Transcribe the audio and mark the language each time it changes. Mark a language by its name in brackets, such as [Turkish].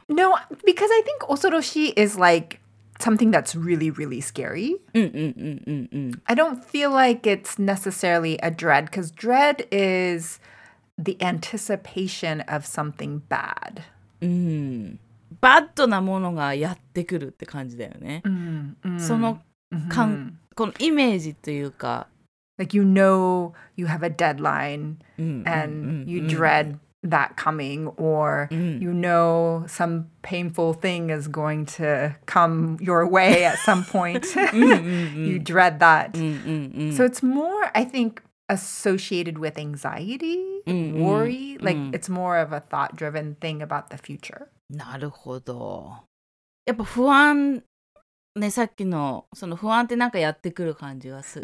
[English] No, because I think 恐ろしい is like something that's really, really scary. I don't feel like it's necessarily a dread because dread is the anticipation of something bad. [Japanese] バッドなものがやってくるって感じだよね。その感、このイメージというか [English] Like you know you have a deadline and you dread that coming or you know some painful thing is going to come your way at some point you dread that so it's more I think associated with anxiety worry like it's more of a thought driven thing about the future [Japanese] なるほどやっぱ不安ねさっきのその不安ってなんかやってくる感じがする